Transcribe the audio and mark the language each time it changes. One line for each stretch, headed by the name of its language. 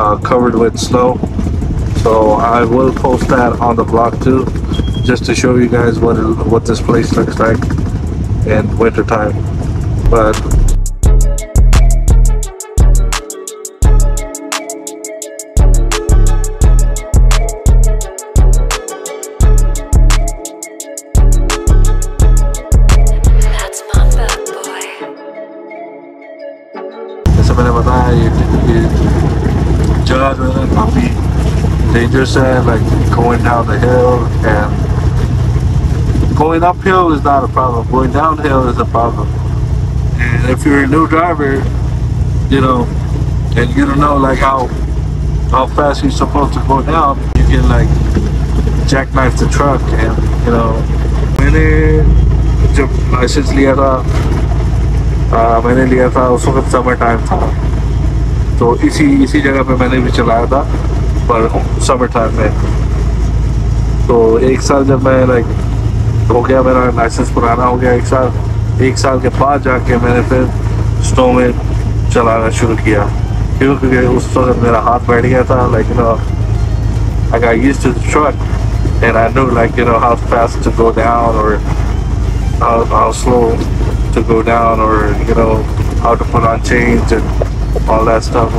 English: covered with snow so I will post that on the blog to just to show you guys what this place looks like in winter time but that's my bad boy
Hindi: jaisa maine bataya ye jagah jo hai kafi dangerous hai
English: like going down the hill and going uphill is not a problem. Going downhill is a problem. And if you're a new driver, you know, and you don't know like how fast you're supposed to go down, you can like jackknife the truck. And you know,
Hindi: मैंने जब license लिया था, मैंने लिया था उस वक्त summer time था, तो इसी जगह पे मैंने भी चलाया था, पर summer time में. तो एक साल जब मैं like हो गया मेरा लाइसेंस पुराना हो गया एक साल के बाद जाके मैंने फिर snowman chalana shuru kiya kyunki us waqt mera haath baith gaya tha,
English: like, you know, I got used to the truck and I knew, like, you know, how fast to go down or how slow to go down or, you know, how to put on chains and all that stuff.